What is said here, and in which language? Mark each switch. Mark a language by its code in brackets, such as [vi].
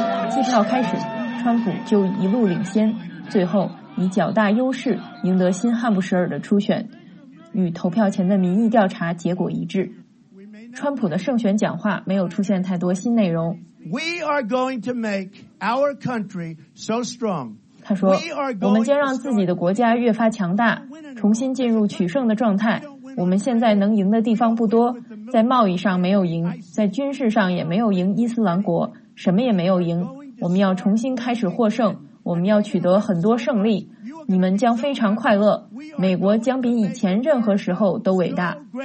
[zh] 计票开始，川普就一路领先，最后以较大优势赢得新罕布什尔的初选，与投票前的民意调查结果一致。川普的胜选讲话没有出现太多新内容。 [en] We are going to make our country so strong. [zh] 他说，我们将让自己的国家越发强大，重新进入取胜的状态。我们现在能赢的地方不多，在贸易上没有赢，在军事上也没有赢伊斯兰国，什么也没有赢。我们要重新开始获胜，我们要取得很多胜利，你们将非常快乐，美国将比以前任何时候都伟大。